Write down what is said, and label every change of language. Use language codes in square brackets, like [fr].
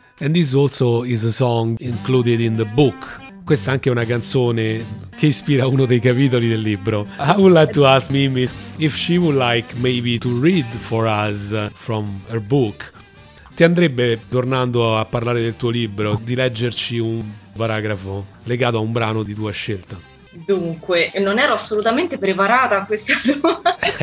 [en] And this also is a song included in the book. [it] Questa è anche una canzone che ispira uno dei capitoli del libro. [en] I would like to ask Mimi if she would like maybe to read for us from her book. [it] Ti andrebbe, tornando a parlare del tuo libro, di leggerci un paragrafo legato a un brano di tua scelta? Dunque, non ero assolutamente preparata a questa domanda.